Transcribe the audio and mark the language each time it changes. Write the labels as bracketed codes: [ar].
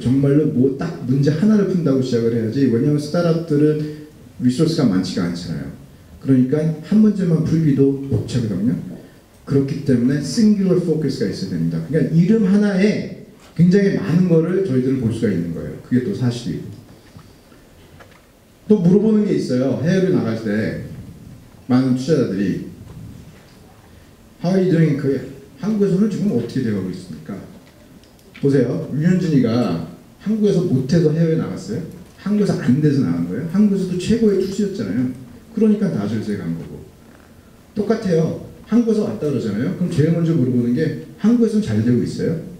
[ko] 정말로 뭐 딱 문제 하나를 푼다고 시작을 해야지 왜냐면 스타트업들은 리소스가 많지가 않잖아요. 그러니까 한 문제만 풀기도 복잡하거든요. 그렇기 때문에 singular focus가 있어야 됩니다. 그러니까 이름 하나에 굉장히 많은 거를 저희들은 볼 수가 있는 거예요. 그게 또 사실이고. 또 물어보는 게 있어요. 해외를 나갈 때 많은 투자자들이 [en] How are you doing in Korea? [ko] 한국에서는 지금 어떻게 되어가고 있습니까? 보세요. 윤현진이가 한국에서 못해서 해외에 나갔어요. 한국에서 안 돼서 나간 거예요. 한국에서도 최고의 투수였잖아요. 그러니까 다저스에 간 거고. 똑같아요. 한국에서 왔다 그러잖아요. 그럼 제일 먼저 물어보는 게 한국에서는 잘 되고 있어요?